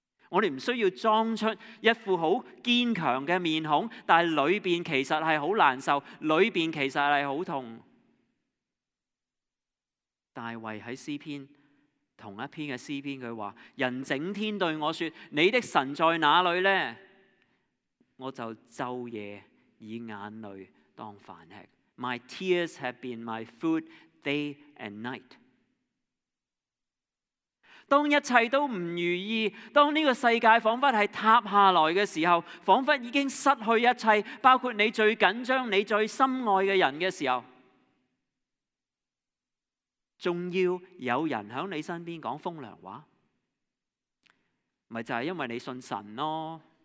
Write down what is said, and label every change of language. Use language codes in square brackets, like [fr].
[zh] 我们不需要装出一副很坚强的面孔，但里面其实是很难受，里面其实是很痛。大卫在诗篇同一篇的诗篇，他说，人整天对我说，你的神在哪里呢？我就昼夜以眼泪当饭吃。 [en] My tears have been my food day and night。 [zh] 当一切都不如意，当这个世界仿佛是塌下来的时候，仿佛已经失去一切，包括你最紧张你最深爱的人的时候，还要有人在你身边讲风凉话，不就是因为你信神咯？